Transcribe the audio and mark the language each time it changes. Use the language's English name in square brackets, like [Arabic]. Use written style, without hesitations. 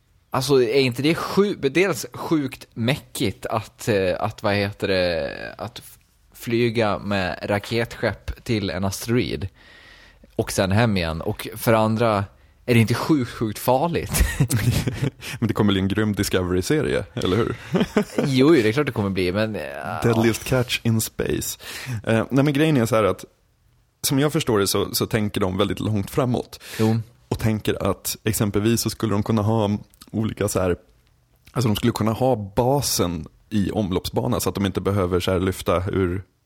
[Swedish] Alltså är inte det dels sjukt mäckigt att vad heter det, att flyga med raketskepp till en asteroid och sen hem igen, och för andra är det inte sjukt farligt? Men det kommer bli en grym Discovery-serie, eller hur? Jo, det är klart det kommer bli, men... [English] Deadliest catch in space. [Swedish] Nej, men grejen är så här att, som jag förstår det, så tänker de väldigt långt framåt. Jo. Och tänker att exempelvis så skulle de kunna ha olika så här... Alltså de skulle kunna ha basen i omloppsbanan så att de inte behöver så här lyfta ur...